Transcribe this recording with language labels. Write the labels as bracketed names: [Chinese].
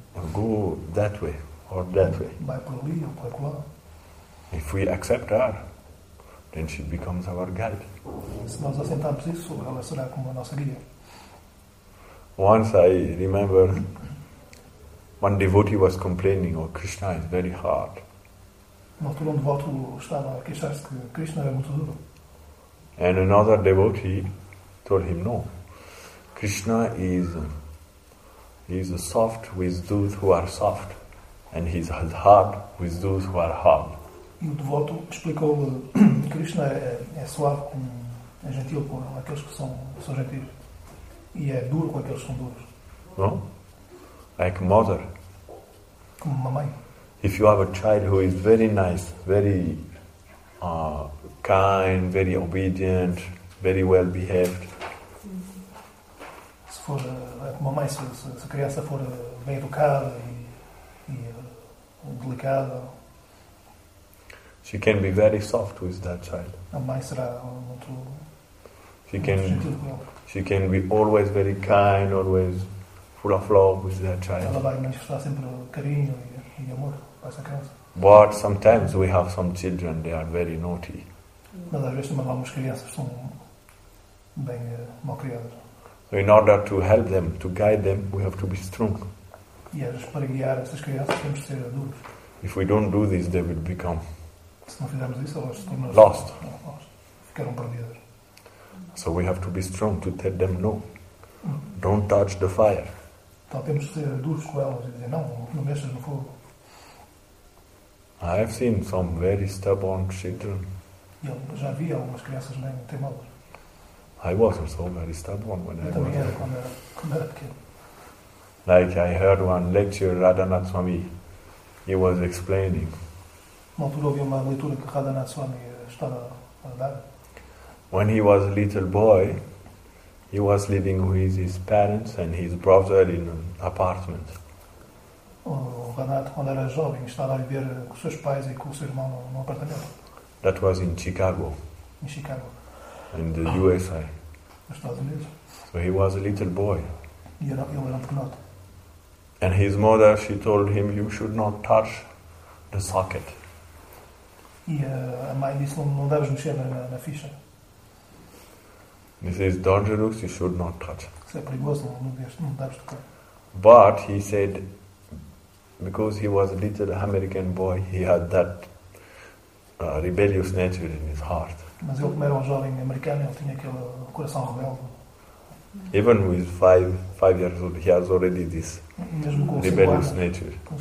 [English] Or go that way, or that way. [Portuguese] Vai por ali, ou por acolá. [English] If we accept her, then she becomes our guide. [Portuguese] Se nós aceitarmos isso, ela será como a nossa guia. [English] Once I remember, one devotee was complaining, oh, Krishna is very hard. [Portuguese] Uma altura, um devoto estava a queixar-se que Krishna era muito duro. [English] And another devotee told him, no, Krishna is soft with those who are soft, and he is hard with those who are hard. [Portuguese] E o devoto explicou que Krishna é suave, é gentil com aqueles que são gentis, e é duro com aqueles que são duros. [English] No? Like mother. [Portuguese] Como uma mãe. [English] If you have a child who is very nice, very kind, very obedient, very well behaved. [Portuguese] Se for uma mãe, se a criança for bem educada e delicada, [English] she can be very soft with that child. [Portuguese] A mãe será muito gentil com ela. [English] She can be always very kind, always full of love with that child. [Portuguese] Ela vai manifestar sempre carinho e amor para essa criança. [English] But sometimes we have some children, they are very naughty. [Portuguese] Mas às vezes também algumas crianças são bem mal criadas. [English] So in order to help them, to guide them, we have to be strong. [Portuguese] E às vezes para guiar essas crianças temos de ser duros. [English] If we don't do this, they will become lost. [Portuguese] Se não fizermos isso, elas se tornam [English] lost. [Portuguese] Ficaram perdidas. [English] So we have to be strong to tell them no. Don't touch the fire. [Portuguese] Então temos de ser duros com elas e dizer não mexas no fogo. [English] I have seen some very stubborn children. [Portuguese] Eu já vi algumas crianças bem teimosas. [English] I was also very stubborn when [Portuguese] eu [English] I was [Portuguese] era quando era pequeno. [English] Like I heard one lecture, Radhanath Swami, he was explaining. [Portuguese] Uma altura ouvi uma leitura que Radhanath Swami estava a dar. [English] When he was a little boy, he was living with his parents and his brother in an apartment. [Portuguese] O Radhanath, quando era jovem, estava a viver com os seus pais e com o seu irmão no apartamento. [English] That was in Chicago. [Portuguese] Em Chicago. [English] In the USA. [Portuguese] Nos Estados Unidos. [English] So he was a little boy. [Portuguese] E ele era um pequenote. [English] And his mother, she told him, you should not touch the socket. [Portuguese] E a mãe disse, não deves mexer na ficha. [English] This is dangerous, you should not touch. [Portuguese] Isso é perigoso, não deves tocar. [English] But he said, because he was a little American boy, he had that rebellious nature in his heart. [Portuguese] Mas ele, como era um jovem americano, ele tinha aquele coração rebelde. [English] Even with five years old, he has already this rebellious nature.